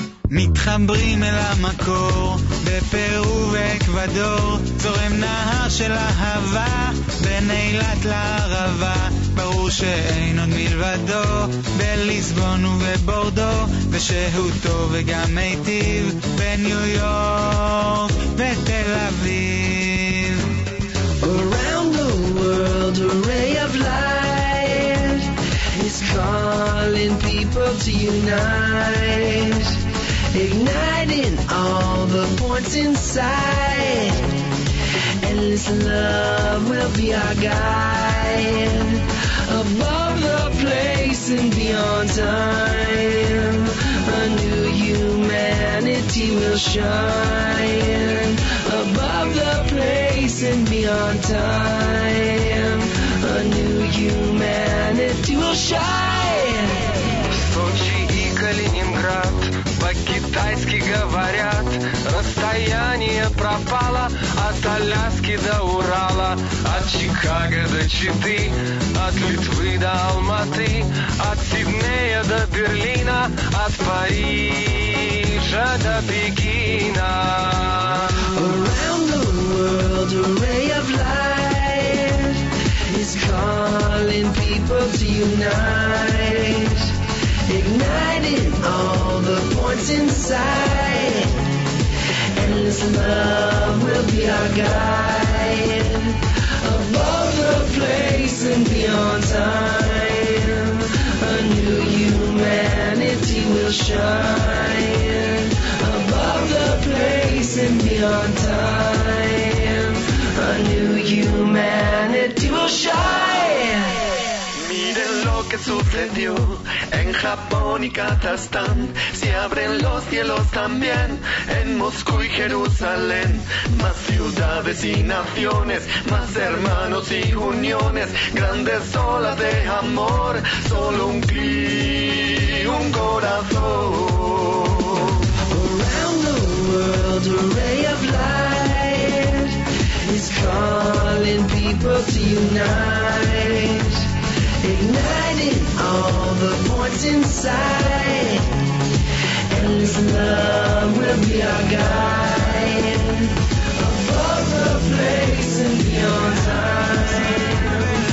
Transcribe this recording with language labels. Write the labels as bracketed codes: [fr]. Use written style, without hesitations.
[he] מתחברים אל המקור בפרו ואקוודור, צורם נהר של אהבה בין אילת לערבה, ברור שאין עוד מלבדו בליסבון ובבורדו, ושהוא טוב וגם מיטיב בניו יורק ותל אביב. [en] Around the world a ray of light is calling people to unite, igniting all the points inside. Endless love will be our guide, above the place and beyond time. A new humanity will shine, above the place and beyond time. A new humanity will shine. [ru] Sochi и Калининград по-китайски говорят, расстояние пропало от Аляски до Урала, от Чикаго до Читы, от Литвы до Алматы, от Сиднея до Берлина, от Парижа до Пекина. [en] Around the world a ray of light is calling people to unite, igniting all the points inside. Endless love will be our guide, above the place and beyond time. A new humanity will shine, above the place and beyond time. A new humanity will shine. [es] Miren lo que sucedió en Japón y Kazajstán, se abren los cielos también en Moscú y Jerusalén. Más ciudades y naciones, más hermanos y uniones, grandes olas de amor, solo un clic, un corazón. [en] Around the world a ray of light is calling people to unite, igniting all the points inside. Endless love will be our guide, above the place and beyond time.